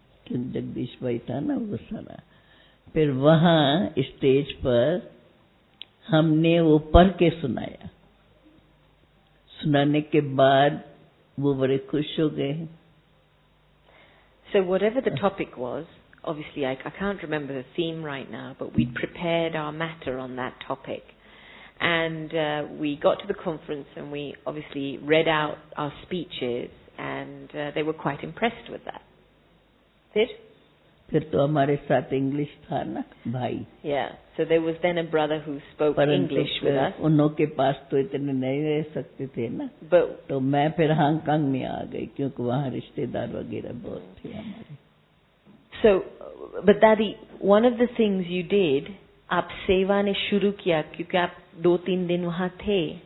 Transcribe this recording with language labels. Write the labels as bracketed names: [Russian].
[Hindi] जगदीश भाई था ना वो सारा. फिर वहां स्टेज पर हमने वो पढ़ के सुनाया. सुनाने के बाद वो बड़े खुश हो गए. [English] So whatever the topic was obviously I can't remember the theme right now, but we prepared our matter on that topic And we got to the conference and we obviously read out our speeches and they were quite impressed with that. [Hindi] फिर तो हमारे साथ English था ना भाई. [English] Yeah, so there was then a brother who spoke English with us. [Hindi] उन्हों के पास तो इतने नहीं रह सकते थे ना. [English] But [Hindi] तो मैं फिर हांगकांग में आ गई क्योंकि वहाँ रिश्तेदार वगैरह बहुत थे हमारे. [English] So, but Daddy, one of the things you did, [Hindi] आप सेवा ने शुरू किया क्योंकि आप दो तीन दिन वहाँ थे.